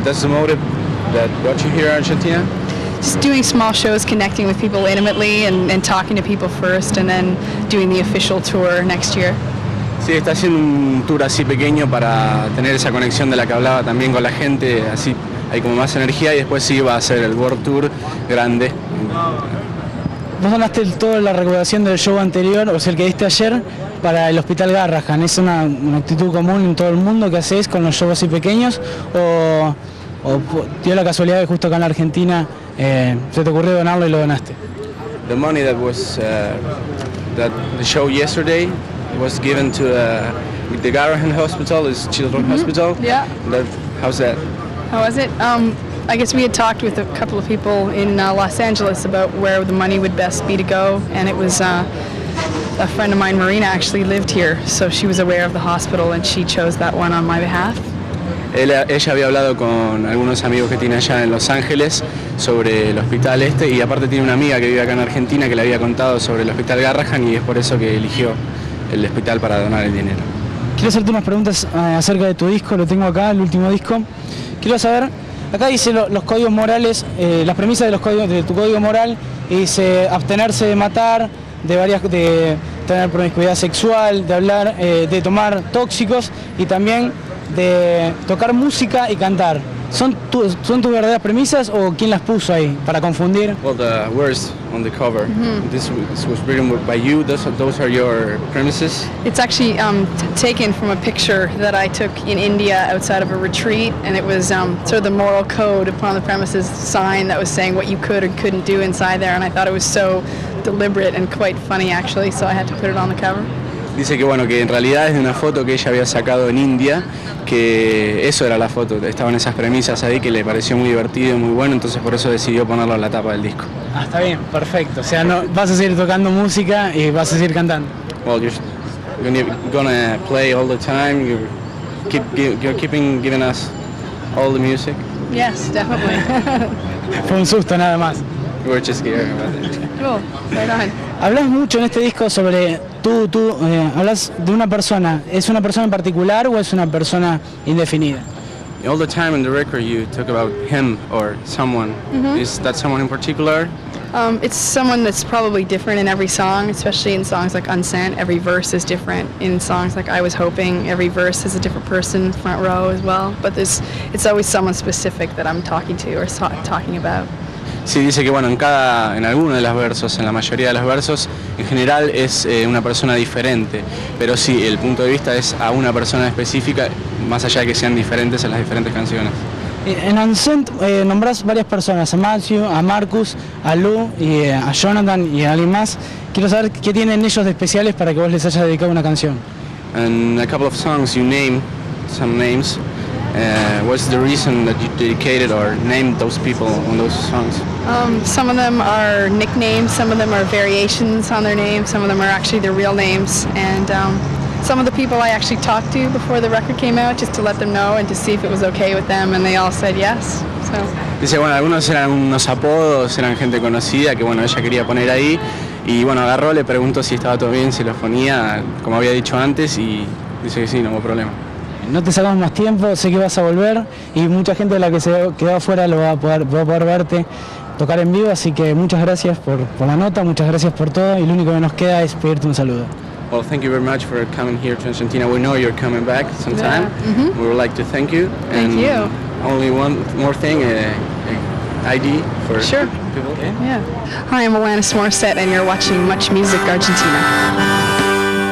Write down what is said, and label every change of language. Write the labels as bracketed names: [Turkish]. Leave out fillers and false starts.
[English] That's the motive that brought you here in Argentina? Just doing small shows, connecting with people intimately and talking to people first and then doing the official tour next year. [Spanish] Sí, está haciendo un tour así pequeño para tener esa conexión de la que hablaba también con la gente, así hay como más energía y después sí va a ser el World Tour grande. Vos donaste toda la recuperación del show anterior, o sea el que diste ayer, para el Hospital Garrahan. ¿Es una actitud común en todo el mundo que haces con los shows así pequeños? ¿O dio la casualidad que justo acá en la Argentina se te ocurrió donarlo y lo donaste? [English] The money that was that the show yesterday was given to the Garrahan Hospital, is children hospital. Yeah. That, how's that? How was it? I guess we had talked with a couple of people in Los Angeles about where the money would best be to go, and it was a friend of mine, Marina, actually lived here, so she was aware of the hospital and she chose that one on my behalf. [Spanish] Ella había hablado con algunos amigos que tiene allá en Los Ángeles sobre el hospital este, y aparte tiene una amiga que vive acá en Argentina que le había contado sobre el Hospital Garrahan, y es por eso que eligió el hospital para donar el dinero. Quiero hacerte unas preguntas acerca de tu disco, lo tengo acá, el último disco. Quiero saber, acá dice los códigos morales, las premisas de los códigos de tu código moral, y dice abstenerse de matar, de tener promiscuidad sexual, de hablar, de tomar tóxicos y también de tocar música y cantar. ¿Son tus verdaderas premisas o quién las puso ahí para confundir? [English] Well, the words on the cover. This was written by you. Those are your premises. It's actually taken from a picture that I took in India outside of a retreat, and it was sort of the moral code upon the premises sign that was saying what you could or couldn't do inside there, and I thought it was so deliberate and quite funny actually, so I had to put it on the cover. [Spanish] Dice que bueno, que en realidad es de una foto que ella había sacado en India, que eso era la foto, estaban esas premisas ahí que le pareció muy divertido y muy bueno, entonces por eso decidió ponerlo en la tapa del disco. Ah, está bien, perfecto. O sea, no, vas a seguir tocando música y vas a seguir cantando. [English] Well, you're gonna play all the time, you're keeping giving us all the music. Yes, definitely. [Spanish] Fue un susto nada más. [English] We're just scared about it. Cool, right on. [Spanish] Hablas mucho en este disco sobre tú hablas de una persona. ¿Es una persona en particular o es una persona indefinida? [English] All the time in the record you talk about him or someone. Is that someone in particular? It's someone that's probably different in every song, especially in songs like Unsent. Every verse is different. In songs like I Was Hoping, every verse is a different person, front row as well. But it's always someone specific that I'm talking to or talking about. [Spanish] Sí, dice que bueno, en alguno de los versos, en la mayoría de los versos, en general es una persona diferente. Pero sí, el punto de vista es a una persona específica, más allá de que sean diferentes en las diferentes canciones. En Unsent nombrás varias personas, a Matthew, a Marcus, a Lou, y, a Jonathan y a alguien más. Quiero saber qué tienen ellos de especiales para que vos les hayas dedicado una canción. [English] En a couple of songs you name some names. What's the reason that you dedicated or named those people on those songs? Some of them are nicknames, some of them are variations on their names, some of them are actually their real names, and some of the people I actually talked to before the record came out just to let them know and to see if it was okay with them, and they all said yes. Dice, bueno, algunos eran unos apodos, eran gente conocida que bueno, ella quería poner ahí, y bueno, agarró, le preguntó si estaba todo bien, si lo ponía, como había dicho antes, y dice que sí, no hubo problema. [Spanish] No te sacamos más tiempo, sé que vas a volver y mucha gente de la que se quedó afuera lo va a poder verte tocar en vivo, así que muchas gracias por la nota, muchas gracias por todo, y lo único que nos queda es pedirte un saludo. [English] Well, thank you very much for coming here to Argentina. We know you're coming back sometime. Yeah. Mm-hmm. We would like to thank you. Thank and you. Only one more thing, ID for sure. People. Okay. Yeah. Hi, I'm Alanis Morissette, and you're watching Much Music Argentina.